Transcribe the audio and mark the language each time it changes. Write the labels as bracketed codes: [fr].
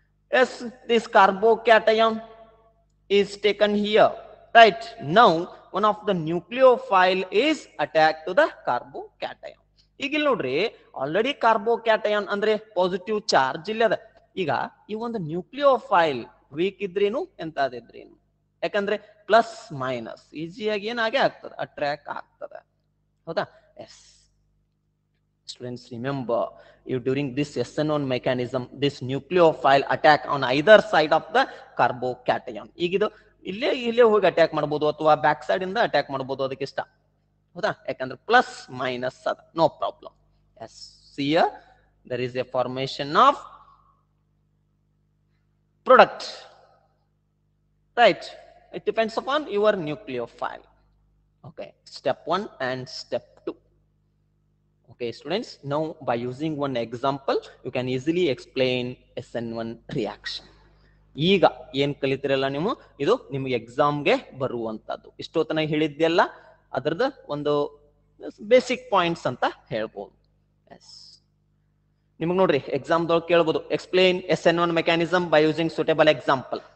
[en] Yes, this carbocation is taken here, right? Now one of the nucleophile is attached to the carbocation. [kn] ಈಗ ಇಲ್ಲಿ ನೋಡ್ರಿ already carbocation ಅಂದ್ರೆ positive charge ಇಲ್ಲಿ ಅದ. ಈಗ ಈ ಒಂದು ನ್ಯೂಕ್ಲಿಯೋಫೈಲ್ ವೀಕ್ ಇದ್ರೇನು ಎಂತ ಅದಿದ್ರೇನು, ಯಾಕಂದ್ರೆ ಪ್ಲಸ್ ಮೈನಸ್ ಈಸಿಯಾಗಿ ಏನಾಗೆ ಆಗ್ತದೆ, ಅಟ್ರಾಕ್ ಆಗ್ತದೆ. ಹೌದಾ? S. [en] Students, remember, if during this SN1 mechanism, this nucleophile attack on either side of the carbocation. [kn] ಈಗಿದು ಇಲ್ಲಿ ಇಲ್ಲಿ ಹೋಗಿ ಅಟ್ಯಾಕ್ ಮಾಡಬಹುದು ಅಥವಾ ಬ್ಯಾಕ್ ಸೈಡ್ ಇಂದ ಅಟ್ಯಾಕ್ ಮಾಡಬಹುದು, ಅದಕ್ಕೆ ಇಷ್ಟ. ಹೌದಾ? ಯಾಕಂದ್ರೆ ಪ್ಲಸ್ ಮೈನಸ್ ಅದ, [en] No problem. Yes. See here there is a formation of product, right? It depends upon your nucleophile. Okay, step 1 and step. Okay students, now by using one example you can easily explain SN1 reaction. [kn] ಈಗ ಏನ್ ಕಲಿತಿರಲ್ಲ ನೀವು, ಇದು ನಿಮಗೆ exam ಗೆ ಬರುವಂತದ್ದು. ಇಷ್ಟೊತ್ತನ ಹೇಳಿದ್ದೆಲ್ಲ ಅದರದ ಒಂದು ಬೇಸಿಕ್ ಪಾಯಿಂಟ್ಸ್ ಅಂತ ಹೇಳ್ಬೋದು. ನಿಮಗ್ ನೋಡ್ರಿ ಎಕ್ಸಾಮ್ ದೊಳಗೆ ಕೇಳ್ಬೋದು, [en] Explain SN1 mechanism by using suitable example.